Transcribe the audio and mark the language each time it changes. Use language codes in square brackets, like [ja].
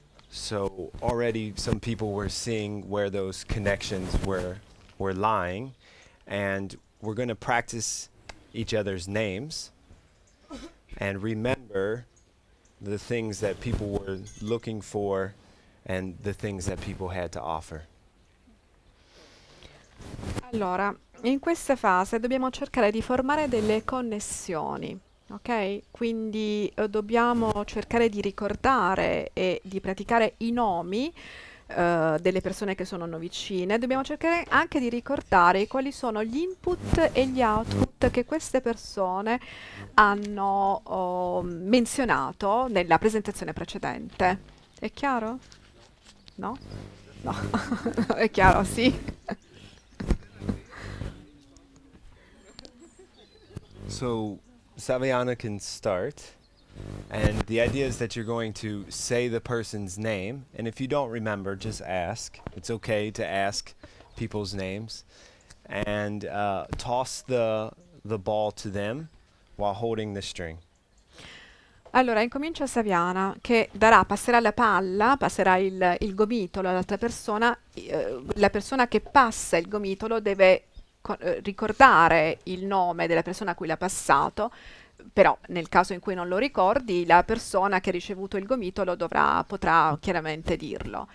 [en] So, already some people were seeing where those connections were lying. And we're going to practice each other's names and remember the things that people were looking for and the things that people had to offer. [it] Allora, in questa fase dobbiamo cercare di formare delle connessioni, ok? Quindi dobbiamo cercare di ricordare e di praticare i nomi delle persone che sono vicine, dobbiamo cercare anche di ricordare quali sono gli input e gli output che queste persone hanno menzionato nella presentazione precedente. È chiaro? No? No. È chiaro, sì. [en] So, Saviana can start. And the idea is that you're going to say the person's name, and if you don't remember, just ask. It's okay to ask people's names. And toss the ball to them while holding the string. [it] Allora, incomincia Saviana, che darà, passerà la palla, passerà il gomitolo all'altra persona. La persona che passa il gomitolo deve ricordare il nome della persona a cui l'ha passato. Però nel caso in cui non lo ricordi, la persona che ha ricevuto il gomitolo potrà chiaramente dirlo.